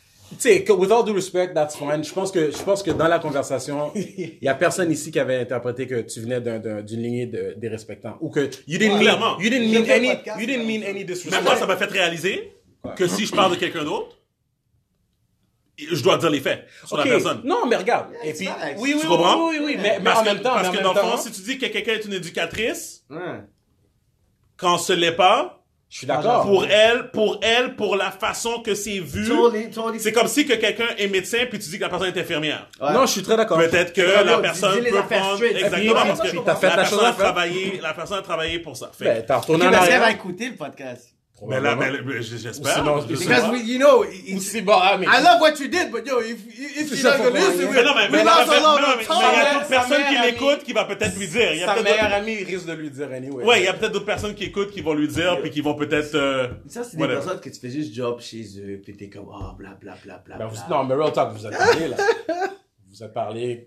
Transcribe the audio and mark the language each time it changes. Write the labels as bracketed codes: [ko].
[en] Tu sais, with all due respect, that's fine. [fr] Je pense que dans la conversation, il y a personne ici qui avait interprété que tu venais d'une lignée des respectants ou que [en] you didn't mean any disrespect. [fr] Mais moi ça m'a fait réaliser que si je parle de quelqu'un d'autre, je dois dire les faits sur la personne. Non, mais regarde. Yeah, et puis, tu comprends? Oui. Mais en même temps, si tu dis que quelqu'un est une éducatrice, quand ce n'est pas, Je suis d'accord. Pour elle, pour la façon que c'est vu, c'est comme si que quelqu'un est médecin puis tu dis que la personne est infirmière. Ouais. Non, je suis très d'accord. Peut-être que la personne peut prendre exactement parce que t'as fait la chose à travailler. La personne a travaillé pour ça. Ben, t'as retourné en arrière. Tu vas écouter le podcast. Mais là, j'espère. [en] Because we, you know, it's, I love what you did, but yo, if you're not gonna listen, we're not gonna listen. [fr] Mais il y a d'autres personnes qui l'écoutent qui va peut-être lui dire. Sa meilleure amie risque de lui dire anyway. Ouais, il y a peut-être d'autres personnes qui écoutent qui vont lui dire puis qui vont peut-être. Ça, c'est des personnes que tu fais juste job chez eux puis t'es comme, oh, blablabla. Non, mais real talk, vous avez parlé là. Vous avez parlé.